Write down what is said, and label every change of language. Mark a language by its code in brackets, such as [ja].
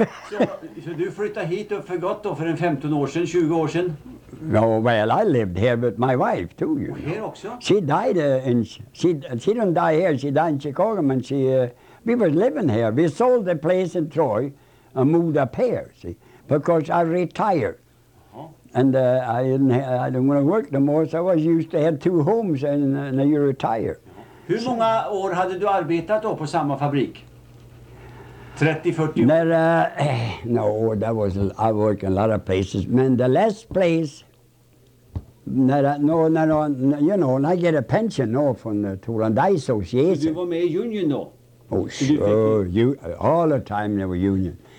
[sv] So, so do you flytta hit och förgått då för en 15 år sedan, 20 år sedan? [en] No, well, I lived here with my wife too. You know. Here also? She died in she didn't die here. She died in Chicago, and she we were living here. We sold the place in Troy and moved up here. See, because I retired, uh-huh. And I didn't want to work no more. So I was used to have two homes, and now you retire. [sv] Hur många år hade du arbetat då på samma fabrik? 30-40 år? [en] No, that was, I worked in a lot of places. Men the last place, you know, and I get a pension now from the Torandai Association. [sv] Du var med i union då? [en] Oh, sure, you, all the time there were union.